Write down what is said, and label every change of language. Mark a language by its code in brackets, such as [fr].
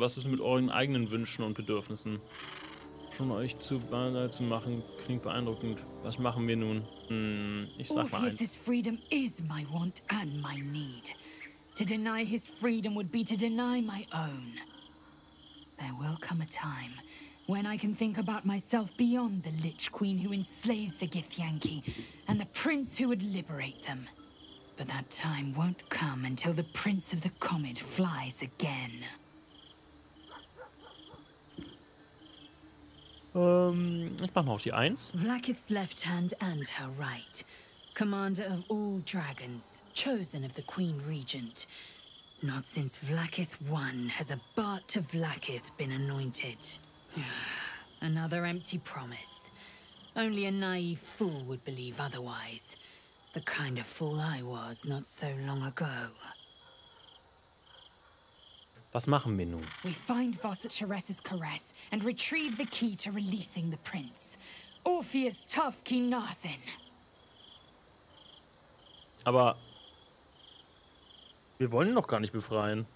[de] Was ist mit euren eigenen Wünschen und Bedürfnissen? Schon euch zu Banal zu machen, klingt beeindruckend. Was machen wir nun? Ich sag Orpheus mal eins. [en] Orpheus' freedom is my want and my need. To deny his freedom would be to deny my own. There will come a time when I can think about myself beyond the Lich Queen who enslaves the Githyanki and the Prince who would liberate them. But that time won't come until the Prince of the Comet flies again. [de] Ich mach mal auf die 1. [en] Vlaketh's left hand and her right. Commander of all dragons, chosen of the Queen Regent. Not since Vlaketh I has a Bart of Vlaketh been anointed. Another empty promise. Only a naive fool would believe otherwise. The kind of fool I was not so long ago. [de] Was machen wir nun? [en] We find Voss at Charess's caress and retrieve the key to releasing the prince. Orpheus tough Ki Narsin. [de] Aber wir wollen ihn noch gar nicht befreien.